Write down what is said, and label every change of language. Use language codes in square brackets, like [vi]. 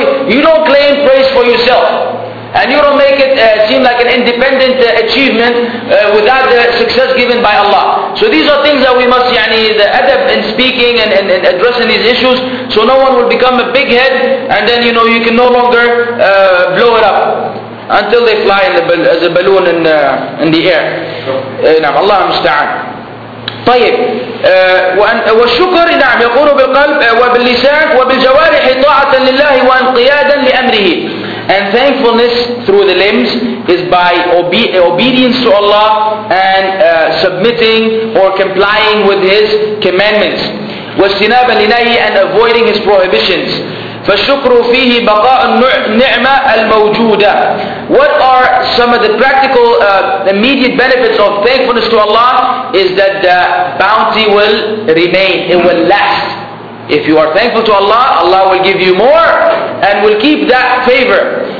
[en] You don't claim praise for yourself. And you don't make it seem like an independent achievement without the success given by Allah. So these are things that we must, the adab in speaking and addressing these issues, so no one will become a big head, and then, you know, you can no longer blow it up until they fly as a balloon in the air. [ar] Naam, Allah musta'an. طيب والشكر نعم يقول بالقلب وباللسان وبالجوارح طاعة لله وانقيادا لأمره. [en] And thankfulness through the limbs is by obedience to Allah and submitting or complying with His commandments. [ar] واستنابا لنهي [en] and avoiding His prohibitions. [ar] فالشكر فيه بقاء النعمة الموجودة. [en] What are some of the practical immediate benefits of thankfulness to Allah is that the bounty will remain, it will last. If you are thankful to Allah, Allah will give you more and will keep that favor.